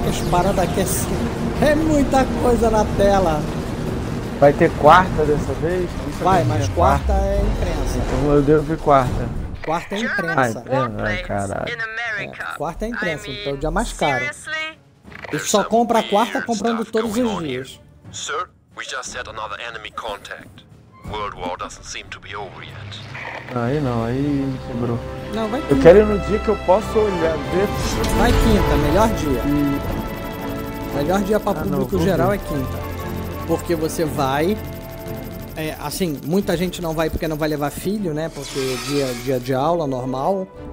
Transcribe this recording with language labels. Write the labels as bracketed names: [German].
[Portuguese] Parada aqui assim. É muita coisa na tela. Vai ter quarta dessa vez? Isso vai, mas quarta é imprensa. Então eu devo ver quarta. Quarta é imprensa. Ai, caralho. Quarta é imprensa, então é o dia mais caro. E só compra a quarta comprando todos os dias. [English] Sir, we just had another enemy contact. World War doesn't seem to be over yet. [Portuguese] Aí não, aí sobrou. Não, vai quinta. Eu quero ir no dia que eu posso olhar, ver. Vai quinta, melhor dia. Melhor dia para público não, geral ver. É quinta. Porque você vai. É, assim, muita gente não vai porque não vai levar filho, né? Porque é dia de aula normal.